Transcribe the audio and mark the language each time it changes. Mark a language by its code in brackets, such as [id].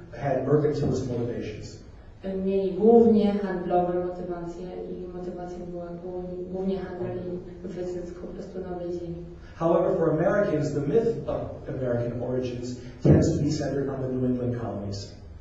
[en] had mercantilist motivations. [pl] Mieli głównie handlowe motywacje i motywacją była głównie handel i wyzysk po prostu nowej ziemi. [en] However, for Americans, the myth of American origins tends to be centered on the New England colonies.